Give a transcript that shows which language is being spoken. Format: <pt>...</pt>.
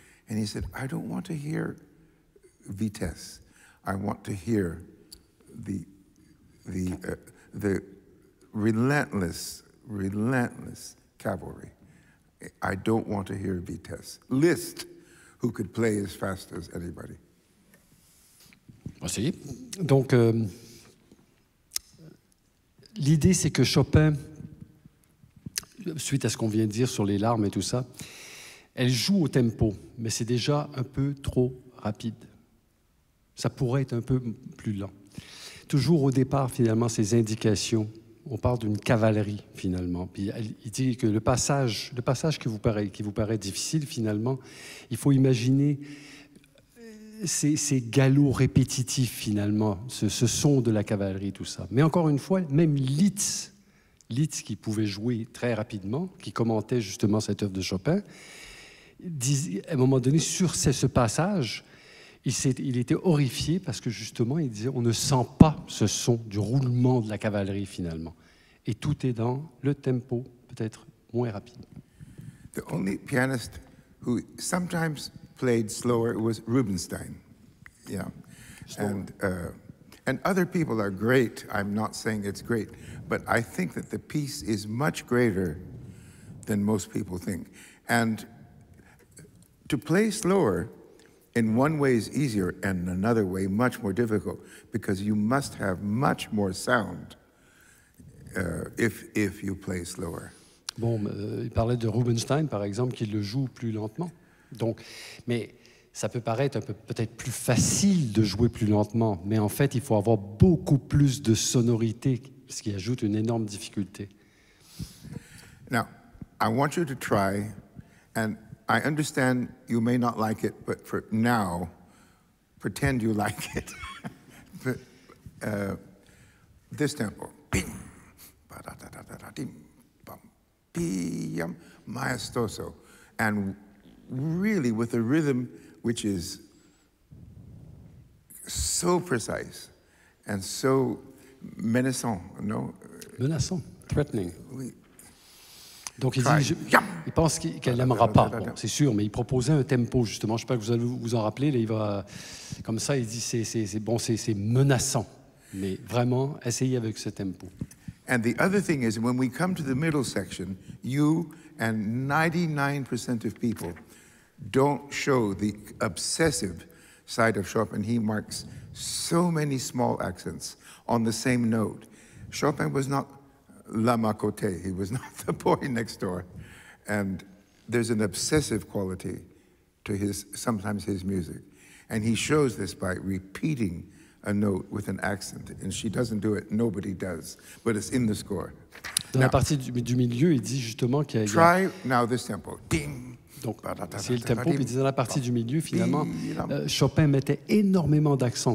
<en>And he said, I don't want to hear vitesse. I want to hear the relentless, relentless cavalry. I don't want to hear vitesse. Liszt, who could play as fast as anybody.</en> <fr>Merci. Donc, l'idée, c'est que Chopin, suite à ce qu'on vient de dire sur les larmes et tout ça, elle joue au tempo, mais c'est déjà un peu trop rapide. Ça pourrait être un peu plus lent. Toujours au départ, finalement, ces indications, on parle d'une cavalerie, finalement. Puis il dit que le passage qui vous paraît difficile, finalement, il faut imaginer ces galops répétitifs, finalement, ce son de la cavalerie, tout ça. Mais encore une fois, même Liszt, qui pouvait jouer très rapidement, qui commentait justement cette œuvre de Chopin, disait, à un moment donné, sur ce passage, il était horrifié parce que, justement, il disait, on ne sent pas ce son du roulement de la cavalerie, finalement. Et tout est dans le tempo, peut-être moins rapide.</fr> <en>The only pianist who sometimes played slower was Rubinstein. Yeah. Slower. And other people are great. I'm not saying it's great. But I think that the piece is much greater than most people think. And to play slower, in one way is easier, and in another way, much more difficult, because you must have much more sound if you play slower.</en> <fr>Bon, il parlait de Rubinstein, par exemple, qui le joue plus lentement. Donc, mais ça peut paraître un peu, peut-être plus facile de jouer plus lentement, mais en fait, il faut avoir beaucoup plus de sonorité, ce qui ajoute une énorme difficulté.</fr> <en>Now, I want you to try, and I understand you may not like it, but for now, pretend you like it. But this tempo, bing, ba da da da da da, ding, bum, bium, maestoso, and really with a rhythm which is so precise and so menaçant, no? Menaçant, threatening. Oui.</en> <fr>Donc il dit, il pense qu'elle n'aimera pas, bon, c'est sûr, mais il proposait un tempo, justement, je ne sais pas si vous allez vous en rappeler, là, il va, comme ça, il dit, c'est bon, c'est menaçant, mais vraiment, essayez avec ce tempo.</fr> <en>And the other thing is, when we come to the middle section, you and 99% of people don't show the obsessive side of Chopin. He marks so many small accents on the same note. Chopin was not la ma côté. He was not the boy next door. And there's an obsessive quality to his, sometimes his music. And he shows this by repeating a note with an accent, and she doesn't do it, nobody does, but it's in the score.</en> <fr>Dans now, la partie du milieu, il dit justement qu'il y a...</fr> <en>Try now this tempo. Ding.</en> <fr>Donc, c'est le tempo, puis dans la partie du milieu, finalement, Chopin mettait énormément d'accent.</fr>